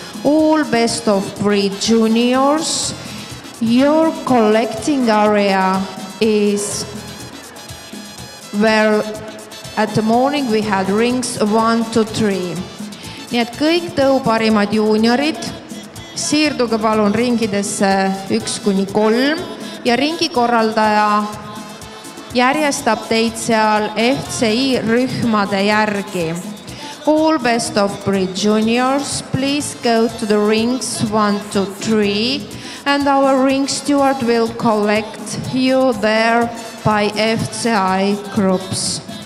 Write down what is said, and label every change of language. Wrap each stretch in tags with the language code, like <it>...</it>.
<en>All best of breed juniors, your collecting area is where at the morning we had rings 1-3.</en> <et>Nii et kõik tõu parimad juuniorid, siirduge palun ringidesse 1-3. Ja ringikorraldaja järjestab teid seal FCI rühmade järgi.</et> <en>All best of breed juniors, please go to the rings 1-3 and our ring steward will collect you there by FCI groups.</en>